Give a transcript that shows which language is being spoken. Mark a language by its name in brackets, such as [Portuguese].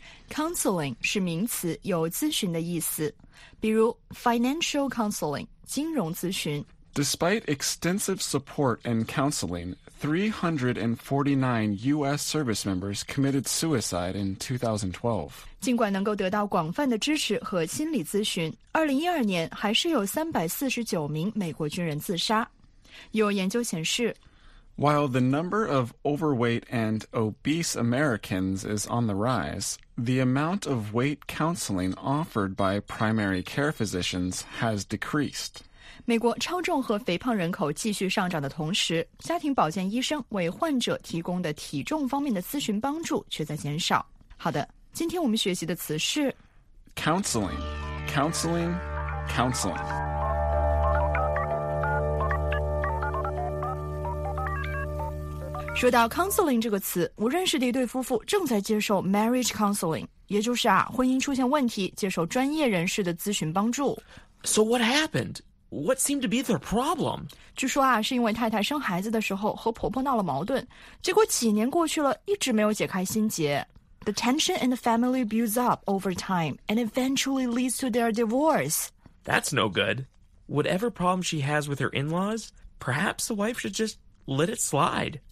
[Chinese] Counseling 是名词，有咨询的意思。比如 [English] financial counseling, [Chinese] 金融咨询。 [English] Despite extensive support and counseling, 349 U.S. service members committed suicide in 2012. [Chinese] 尽管能够得到广泛的支持和心理咨询，2012年还是有349名美国军人自杀。有研究显示， [English] While the number of overweight and obese Americans is on the rise, the amount of weight counseling offered by primary care physicians has decreased. [Chinese] 美国超重和肥胖人口继续上涨的同时，家庭保健医生为患者提供的体重方面的咨询帮助却在减少。好的，今天我们学习的词是 [English] counseling, counseling, counseling. [Chinese] 说到 counseling 这个词，我认识的一对夫妇正在接受 marriage counseling， 也就是啊，婚姻出现问题，接受专业人士的咨询帮助。 [English] So what happened? What seemed to be their problem? [Chinese] 据说啊，是因为太太生孩子的时候和婆婆闹了矛盾，结果几年过去了，一直没有解开心结。 [English] The tension in the family builds up over time and eventually leads to their divorce. That's no good. Whatever problem she has with her in-laws, perhaps the wife should just let it slide.